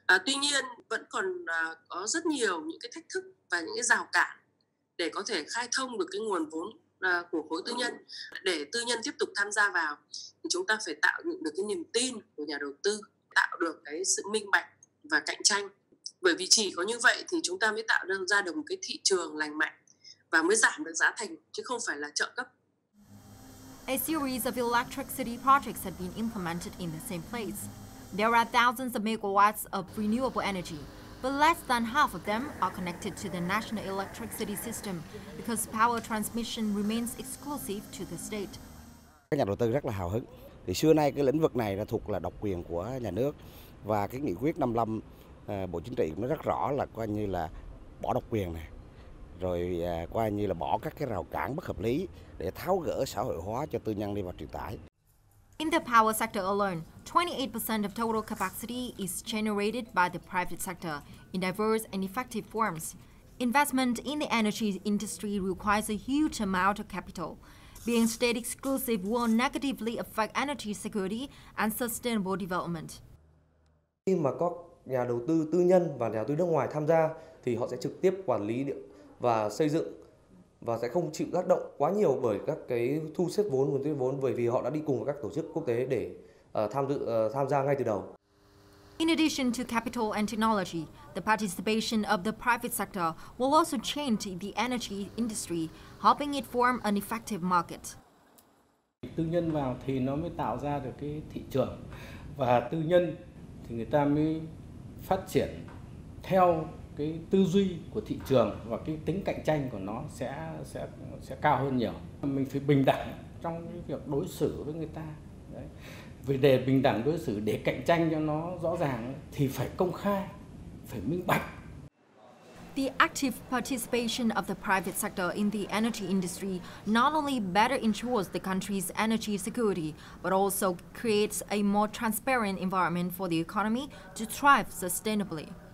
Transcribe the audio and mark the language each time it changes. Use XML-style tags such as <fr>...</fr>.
<vi>Tuy nhiên, vẫn còn có rất nhiều những cái thách thức và những cái rào cản để có thể khai thông được cái nguồn vốn của khối tư nhân. Để tư nhân tiếp tục tham gia vào, thì chúng ta phải tạo được cái niềm tin của nhà đầu tư, tạo được cái sự minh bạch và cạnh tranh. Bởi vì chỉ có như vậy thì chúng ta mới tạo ra được một cái thị trường lành mạnh và mới giảm được giá thành, chứ không phải là trợ cấp.</vi> <en>A series of electricity projects have been implemented in the same place. There are thousands of megawatts of renewable energy, but less than half of them are connected to the national electricity system because power transmission remains exclusive to the state.</en> <vi>Các nhà đầu tư rất là hào hứng. Thì xưa nay cái lĩnh vực này là thuộc là độc quyền của nhà nước, và cái nghị quyết 55 Bộ Chính trị nó rất rõ là coi như là bỏ độc quyền này, rồi coi như là bỏ các cái rào cản bất hợp lý để tháo gỡ xã hội hóa cho tư nhân đi vào truyền tải.</vi> <en>In the power sector alone, 28% of total capacity is generated by the private sector in diverse and effective forms. Investment in the energy industry requires a huge amount of capital. Being state exclusive will negatively affect energy security and sustainable development.</en> <vi>Khi mà có nhà đầu tư tư nhân và nhà đầu tư nước ngoài tham gia thì họ sẽ trực tiếp quản lý và xây dựng và sẽ không chịu tác động quá nhiều bởi các cái thu xếp vốn, nguồn thu xếp vốn, bởi vì họ đã đi cùng với các tổ chức quốc tế để tham gia ngay từ đầu.</vi> <en>In addition to capital and technology, the participation of the private sector will also change the energy industry, helping it form an effective market.</en> <vi>Tư nhân vào thì nó mới tạo ra được cái thị trường, và tư nhân thì người ta mới phát triển theo cái tư duy của thị trường, và cái tính cạnh tranh của nó sẽ cao hơn nhiều. Mình phải bình đẳng trong cái việc đối xử với người ta. Đấy. Vì để bình đẳng đối xử, để cạnh tranh cho nó rõ ràng thì phải công khai, phải minh bạch.</vi> <en>The active participation of the private sector in the energy industry not only better ensures the country's energy security, but also creates a more transparent environment for the economy to thrive sustainably.</en>